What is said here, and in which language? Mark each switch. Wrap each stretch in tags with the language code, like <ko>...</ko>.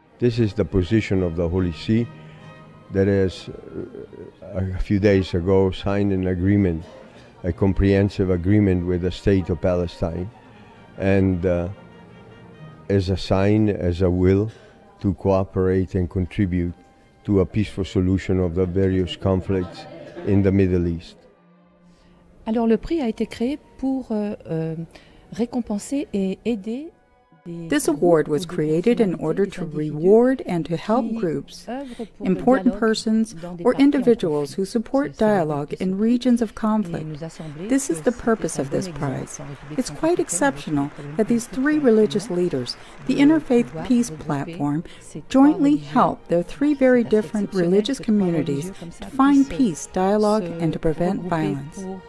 <en>This is the position of the Holy See that has, a few days ago, signed an agreement, a comprehensive agreement with the state of Palestine, and as a sign, as a will, to cooperate and contribute to a peaceful solution of the various conflicts in the Middle East.</en> <fr>Alors le prix a été créé pour récompenser et aider.</fr> <en>This award was created in order to reward and to help groups, important persons, or individuals who support dialogue in regions of conflict. This is the purpose of this prize. It's quite exceptional that these three religious leaders, the Interfaith Peace Platform, jointly help their three very different religious communities to find peace, dialogue, and to prevent violence.</en>